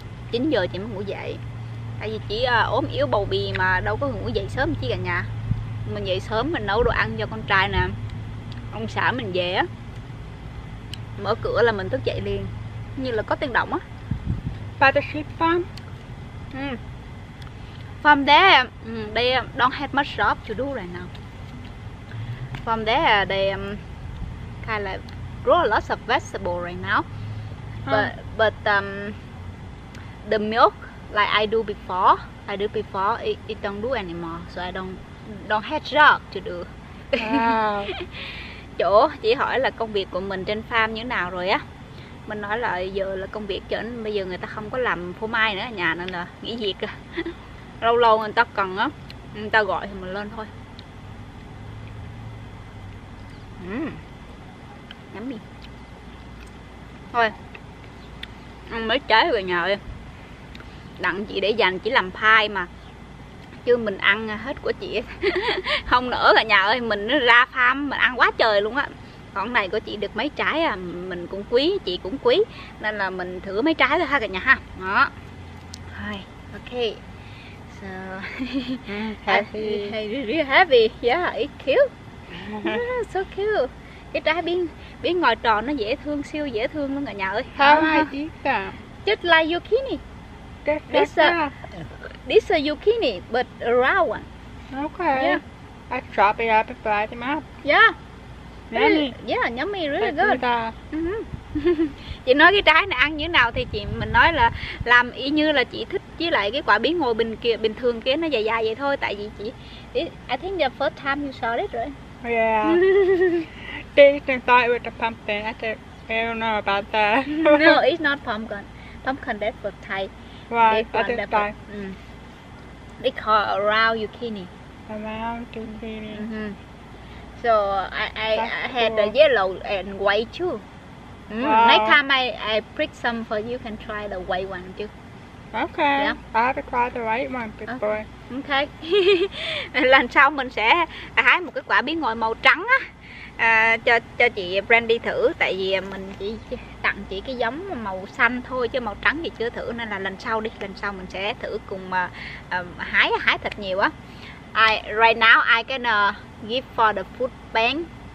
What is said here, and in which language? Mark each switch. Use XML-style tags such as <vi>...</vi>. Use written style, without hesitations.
<vi>9 giờ chị mới ngủ dậy. Tại vì chỉ ốm yếu bầu bì mà đâu có ngủ dậy sớm chứ cả nhà. Mình dậy sớm mình nấu đồ ăn cho con trai nè. Ông xã mình về á, mở cửa là mình thức dậy liền, như là có tiếng động á.</vi> <en>By the sheep farm. From there they don't have much job to do right now. From there they kind of like grow a lot of vegetables right now. But the milk like I do before, it don't do anymore, so I don't have job to do.</en> <vi>Chỗ chị hỏi là công việc của mình trên farm như nào rồi á. Mình nói là giờ là công việc trở nên bây giờ người ta không có làm phô mai nữa ở nhà nên là nghỉ việc rồi. Lâu lâu người ta cần á, người ta gọi thì mình lên thôi. Nhắm đi. Thôi, ăn mấy trái rồi nhờ ơi. Đặng chị để dành chỉ làm pie mà, chứ mình ăn hết của chị không nỡ cả nhà ơi. Mình ra farm mình ăn quá trời luôn á. Còn này của chị được mấy trái à, mình cũng quý, chị cũng quý, nên là mình thử mấy trái thôi ha cả nhà ha. Đó. Rồi, ok.</vi> <en>So happy. Really happy. Yeah, it's cute. Yeah, so cute.</en> <vi>Cái trái biến ngồi tròn nó dễ thương, siêu dễ thương luôn cả nhà ơi.</vi> <en>How high is that? Just like zucchini. This is a zucchini, but a round one. Okay. Yeah. I chop it up and fry them up. Yeah. Yummy. Yeah, yummy, really good. Like that.</en> <vi>Chị nói cái trái này ăn như nào thì chị mình nói là làm y như là chị thích với lại cái quả bí ngô bình thường kia nó dài dài vậy thôi. Tại vì chị,</vi> <en>I think the first time you saw it, right? Yeah. They thought it was a pumpkin. I said, I don't know about that. No, it's not pumpkin. Pumpkin, that's for Thai. Right, they call around zucchini. Around zucchini. So I had cool. The yellow and white too. Next time I pick some for you, can try the white one too. Okay. Yeah. I have to try the white one before. Okay.</en> <vi>Lần sau mình sẽ hái một cái quả bí ngòi màu trắng á. Cho chị Brandy thử. Tại vì mình chỉ tặng chị cái giống màu xanh thôi, chứ màu trắng thì chưa thử. Nên là lần sau mình sẽ thử cùng hái thịt nhiều á.</vi> <en>Right now I can give for the food bank.</en>